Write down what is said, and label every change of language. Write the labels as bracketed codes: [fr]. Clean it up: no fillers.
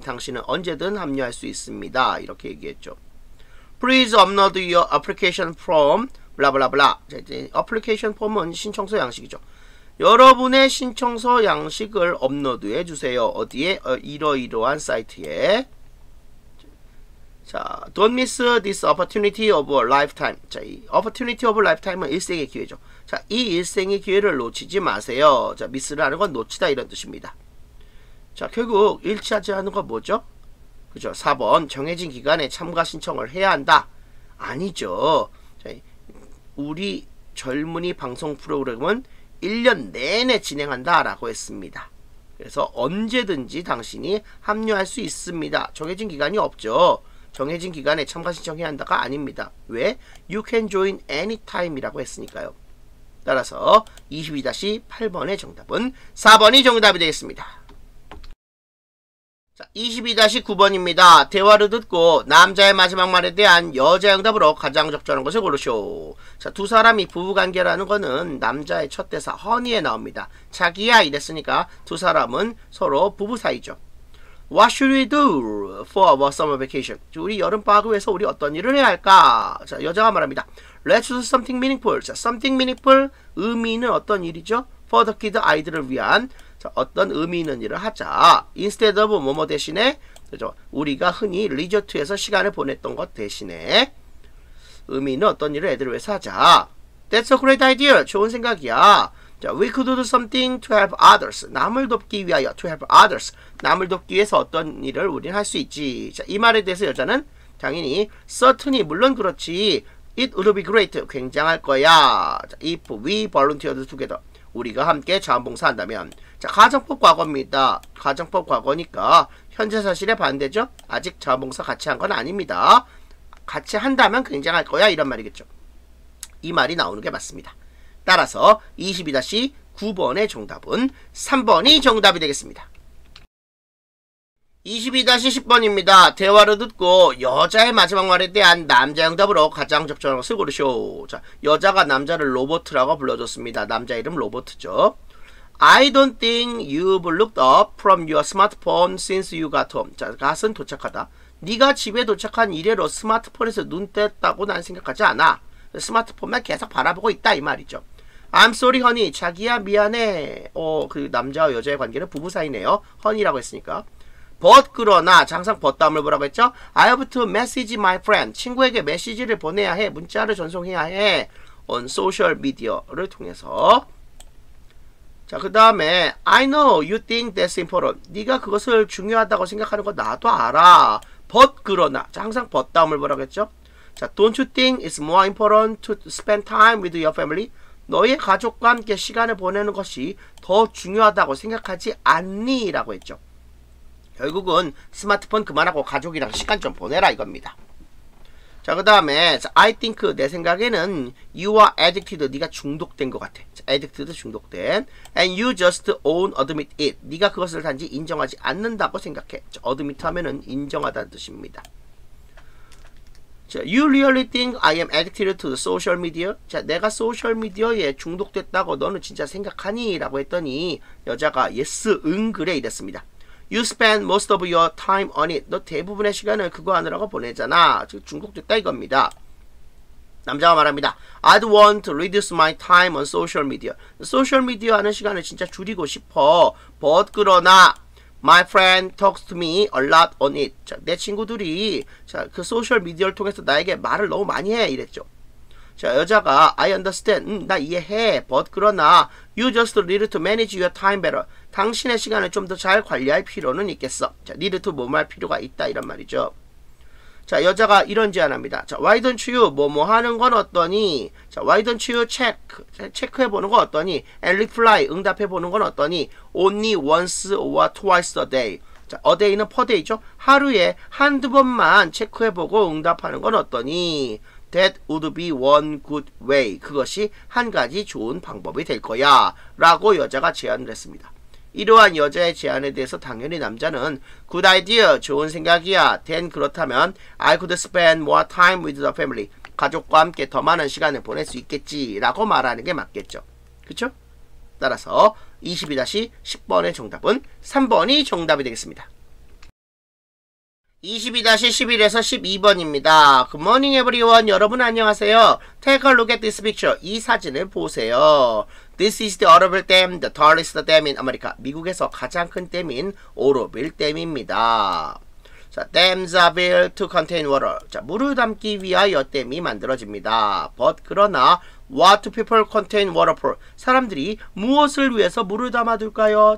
[ko] 당신은 언제든 합류할 수 있습니다. 이렇게 얘기했죠. [en] Please upload your application form. [ko] 블라블라블라. 자, 이제 application form은 신청서 양식이죠. 여러분의 신청서 양식을 업로드해 주세요. 어디에? 이러이러한 사이트에. [en] 자, don't miss this opportunity of a lifetime. [ko] 자, 이 [en] opportunity of a lifetime [ko] 은 일생의 기회죠. 자, 이 일생의 기회를 놓치지 마세요. 자, miss라는 건 놓치다 이런 뜻입니다. 자, 결국 일치하지 않은 건 뭐죠? 그죠? 4번, 정해진 기간에 참가 신청을 해야 한다. 아니죠. 자, 우리 젊은이 방송 프로그램은 1년 내내 진행한다 라고 했습니다. 그래서 언제든지 당신이 합류할 수 있습니다. 정해진 기간이 없죠. 정해진 기간에 참가 신청해야 한다가 아닙니다. 왜? [en] You can join anytime [ko] 이라고 했으니까요. 따라서 22-8번의 정답은 4번이 정답이 되겠습니다. 자, 22-9번입니다. 대화를 듣고 남자의 마지막 말에 대한 여자의 응답으로 가장 적절한 것을 고르쇼. 자, 두 사람이 부부관계라는 거는 남자의 첫 대사 허니에 나옵니다. 자기야 이랬으니까 두 사람은 서로 부부 사이죠. [en] What should we do for our summer vacation? [ko] 우리 여름방학을 위해서 우리 어떤 일을 해야 할까? 자, 여자가 말합니다. [en] Let's do something meaningful. [ko] 자, [en] something meaningful [ko] 의미는 어떤 일이죠? [en] For the kids, [ko] 아이들을 위한 어떤 의미 있는 일을 하자. [en] Instead of [ko] 뭐뭐 대신에, 그죠? 우리가 흔히 리조트에서 시간을 보냈던 것 대신에 의미 있는 어떤 일을 애들을 위해서 하자. [en] That's a great idea. [ko] 좋은 생각이야. [en] 자, we could do something to help others. [ko] 남을 돕기 위하여. [en] To help others. [ko] 남을 돕기 위해서 어떤 일을 우린 할 수 있지. 자, 이 말에 대해서 여자는 당연히 [en] certainly, [ko] 물론 그렇지. [en] It would be great. [ko] 굉장할 거야. [en] 자, if we volunteered together. [ko] 우리가 함께 자원봉사한다면. 자, 가정법 과거입니다. 가정법 과거니까 현재 사실에 반대죠. 아직 자원봉사 같이 한 건 아닙니다. 같이 한다면 굉장할 거야 이런 말이겠죠. 이 말이 나오는 게 맞습니다. 따라서 22-9번의 정답은 3번이 정답이 되겠습니다. 22-10번입니다. 대화를 듣고 여자의 마지막 말에 대한 남자 응답으로 가장 적절한 것을 고르쇼. 자, 여자가 남자를 로버트라고 불러줬습니다. 남자 이름 로버트죠. [en] I don't think you've looked up from your smartphone since you got home. [ko] 자, got은 도착하다. 네가 집에 도착한 이래로 스마트폰에서 눈 뗐다고 난 생각하지 않아. 스마트폰만 계속 바라보고 있다 이 말이죠. [en] I'm sorry, honey. [ko] 자기야, 미안해. 그 남자와 여자의 관계는 부부 사이네요. honey라고 했으니까. But 그러나, 항상 but 다음을 보라고 했죠. [en] I have to message my friend. [ko] 친구에게 메시지를 보내야 해. 문자를 전송해야 해. [en] On social media [ko] 를 통해서. 자, 그 다음에 [en] I know you think that's important. [ko] 네가 그것을 중요하다고 생각하는 거 나도 알아. But 그러나, 자, 항상 but 다음을 보라고 했죠. [en] 자, don't you think it's more important to spend time with your family? [ko] 너의 가족과 함께 시간을 보내는 것이 더 중요하다고 생각하지 않니? 라고 했죠. 결국은 스마트폰 그만하고 가족이랑 시간 좀 보내라 이겁니다. 자, 그 다음에 [en] I think, [ko] 내 생각에는 [en] you are addicted, [ko] 네가 중독된 것 같아. [en] addicted, [ko] 중독된. [en] And you just won't admit it. [ko] 네가 그것을 단지 인정하지 않는다고 생각해. admit 하면은 인정하다는 뜻입니다. [en] 자, you really think I am addicted to the social media? [ko] 자, 내가 소셜 미디어에 중독됐다고 너는 진짜 생각하니? 라고 했더니 여자가 yes, 응, 그래 이랬습니다. [en] You spend most of your time on it. [ko] 너 대부분의 시간을 그거 하느라고 보내잖아. 즉 중독됐다 이겁니다. 남자가 말합니다. [en] I'd want to reduce my time on social media. [ko] 소셜 미디어 하는 시간을 진짜 줄이고 싶어. [en] But [ko] 그러나 [en] My friend talks to me a lot on it. [ko] 자, 내 친구들이 자, 그 소셜 미디어를 통해서 나에게 말을 너무 많이 해 이랬죠. 자, 여자가 [en] I understand. [ko] 나 이해해. [en] But [ko] 그러나 [en] you just need to manage your time better. [ko] 당신의 시간을 좀 더 잘 관리할 필요는 있겠어. 자, need to 뭐뭐 할 필요가 있다 이런 말이죠. 자, 여자가 이런 제안합니다. [en] 자, why don't you [ko] 뭐뭐 하는 건 어떠니? [en] 자, why don't you check? [ko] 체크해 보는 건 어떠니? [en] And reply [ko] 응답해 보는 건 어떠니? [en] Only once or twice a day. 자, a day는 per day죠. [ko] 하루에 한두 번만 체크해 보고 응답하는 건 어떠니? [en] That would be one good way. [ko] 그것이 한 가지 좋은 방법이 될 거야. 라고 여자가 제안을 했습니다. 이러한 여자의 제안에 대해서 당연히 남자는 [en] good idea, [ko] 좋은 생각이야. [en] Then [ko] 그렇다면 [en] I could spend more time with the family. [ko] 가족과 함께 더 많은 시간을 보낼 수 있겠지. 라고 말하는 게 맞겠죠. 그쵸? 따라서 22-10번의 정답은 3번이 정답이 되겠습니다. 22-11에서 12번입니다. [en] Good morning, everyone. [ko] 여러분, 안녕하세요. [en] Take a look at this picture. [ko] 이 사진을 보세요. [en] This is the Oroville Dam, the tallest dam in America. [ko] 미국에서 가장 큰 댐인 오로빌 댐입니다. [en] 자, dams are built to contain water. [ko] 자, 물을 담기 위하여 댐이 만들어집니다. [en] But, [ko] 그러나, [en] what do people contain water for? [ko] 사람들이 무엇을 위해서 물을 담아둘까요?